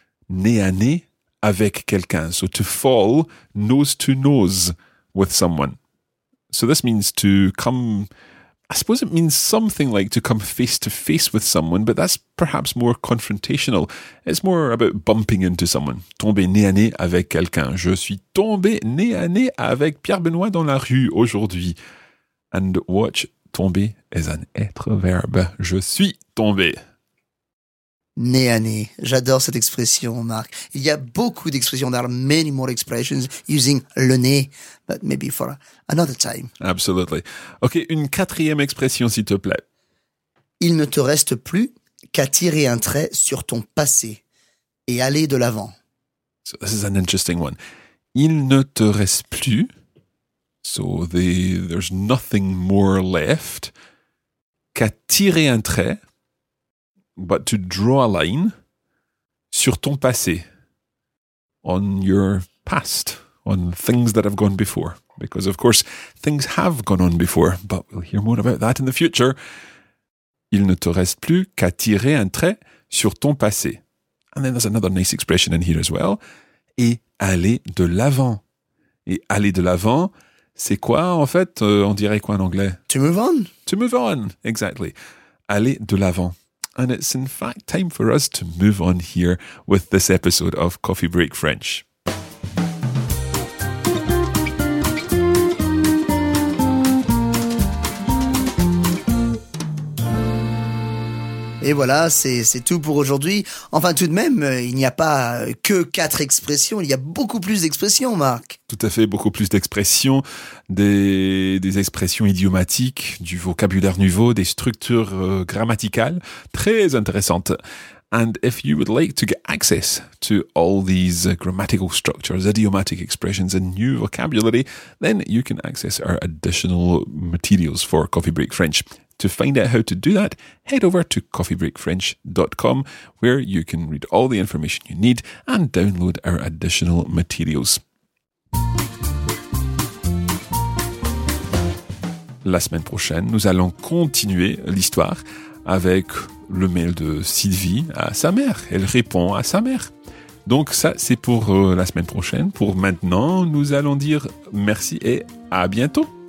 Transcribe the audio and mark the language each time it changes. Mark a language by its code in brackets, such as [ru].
[fr] Nez à nez avec quelqu'un. [en] So to fall nose to nose with someone. So this means to come, I suppose it means something like to come face to face with someone, but that's perhaps more confrontational. It's more about bumping into someone. [fr] Tomber nez à nez avec quelqu'un. Je suis tombé nez à nez avec Pierre Benoît dans la rue aujourd'hui. [en] And watch, tomber is an être verbe. [fr] Je suis tombé. Nez à nez. J'adore cette expression, Marc. Il y a beaucoup d'expressions. [en] There are many more expressions using le nez, but maybe for another time. Absolutely. [fr] OK, une quatrième expression, s'il te plaît. Il ne te reste plus qu'à tirer un trait sur ton passé et aller de l'avant. [en] So this is an interesting one. [fr] Il ne te reste plus. [en] So there's nothing more left. [fr] Qu'à tirer un trait. [en] But to draw a line [fr] sur ton passé, [en] on your past, on things that have gone before. Because, of course, things have gone on before, but we'll hear more about that in the future. [fr] Il ne te reste plus qu'à tirer un trait sur ton passé. [en] And then there's another nice expression in here as well. [fr] Et aller de l'avant. Et aller de l'avant, c'est quoi, en fait, on dirait quoi en anglais? [en] To move on. To move on, exactly. [fr] Aller de l'avant. [en] And it's in fact time for us to move on here with this episode of Coffee Break French. [fr] Et voilà, c'est tout pour aujourd'hui. Enfin, tout de même, il n'y a pas que quatre expressions, il y a beaucoup plus d'expressions, Marc. Tout à fait, beaucoup plus d'expressions, des expressions idiomatiques, du vocabulaire nouveau, des structures grammaticales très intéressantes. [en] And if you would like to get access to all these grammatical structures, idiomatic expressions and new vocabulary, then you can access our additional materials for Coffee Break French. To find out how to do that, head over to coffeebreakfrench.com where you can read all the information you need and download our additional materials. [fr] La semaine prochaine, nous allons continuer l'histoire avec le mail de Sylvie à sa mère. Elle répond à sa mère. Donc ça, c'est pour la semaine prochaine. Pour maintenant, nous allons dire merci et à bientôt.